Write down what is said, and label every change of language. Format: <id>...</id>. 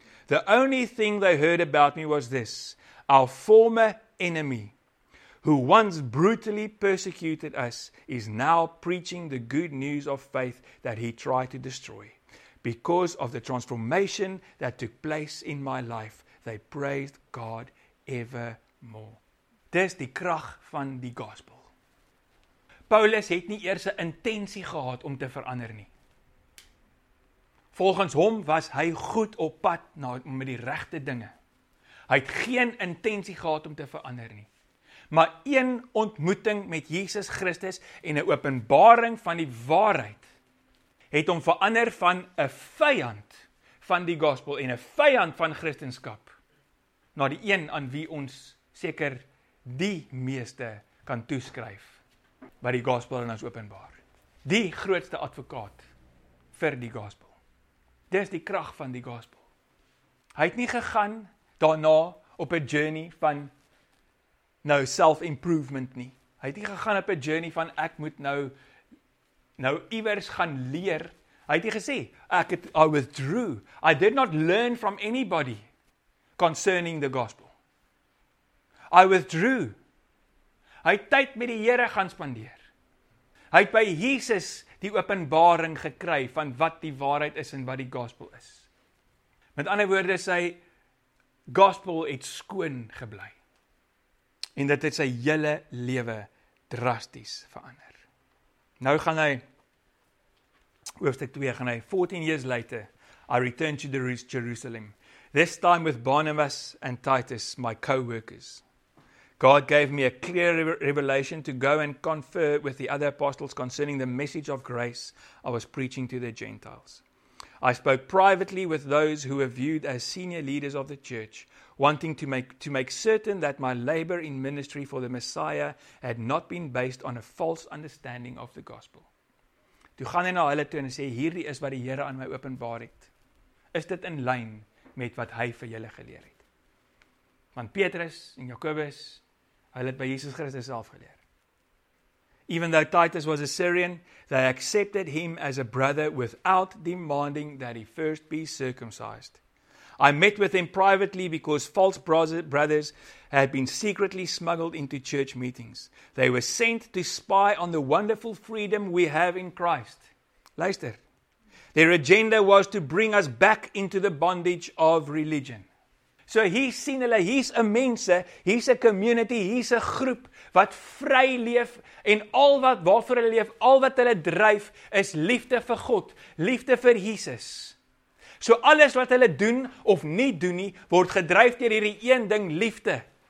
<en>The only thing they heard about me was this: our former enemy, who once brutally persecuted us, is now preaching the good news of faith that he tried to destroy. Because of the transformation that took place in my life, they praised God ever more.</en> <af>Dis die krag van die gospel. Paulus het nie eers 'n intensie gehad om te verander nie. Volgens hom was hy goed op pad na met die regte dinge. Hy het geen intensie gehad om te verander nie. Maar een ontmoeting met Jesus Christus en 'n openbaring van die waarheid het hom verander van 'n vyand van die gospel en 'n vyand van Christendom na die een aan wie ons seker die meeste kan toeskryf wat die gospel aan ons openbaar. Die grootste advokaat vir die gospel. Dis die krag van die gospel. Hy het nie gegaan daarna op 'n journey van nou self-improvement nie. Hy het nie gegaan op 'n journey van ek moet nou iewers gaan leer. Hy het nie gesê</af> <en>I withdrew. I did not learn from anybody concerning the gospel. I withdrew.</en> <af>Hy het tyd met die Here gaan spandeer. Hy het by Jesus die openbaring gekry van wat die waarheid is en wat die gospel is. Met ander woorde sy gospel het skoon gebly. En dit het sy hele lewe drasties verander. Nou gaan hy hoofstuk 2 gaan hy</af> <en>14 years later I returned to Jerusalem. This time with Barnabas and Titus, my co-workers. God gave me a clear revelation to go and confer with the other apostles concerning the message of grace I was preaching to the Gentiles. I spoke privately with those who were viewed as senior leaders of the church, wanting to make certain that my labor in ministry for the Messiah had not been based on a false understanding of the gospel.</en> <af>Toe gaan hy na hulle toe en sê, hierdie is wat die Here aan my openbaar het. Is dit in lyn met wat hy vir julle geleer het? Want Petrus en Jakobus, hulle het by Jesus Christus self geleer.</af> <en>Even though Titus was a Syrian, they accepted him as a brother without demanding that he first be circumcised. I met with him privately because false brothers had been secretly smuggled into church meetings. They were sent to spy on the wonderful freedom we have in Christ.</en> <af>Luister.</af> <en>Their agenda was to bring us back into the bondage of religion.</en> <af>So hier sien hulle, hier's 'n mense, hier's 'n community, hier's 'n groep wat vry leef en al wat waarvoor hulle leef, al wat hulle dryf is liefde vir God, liefde vir Jesus. So alles wat hulle doen of nie doen nie, word gedryf deur hierdie een ding, liefde.</af>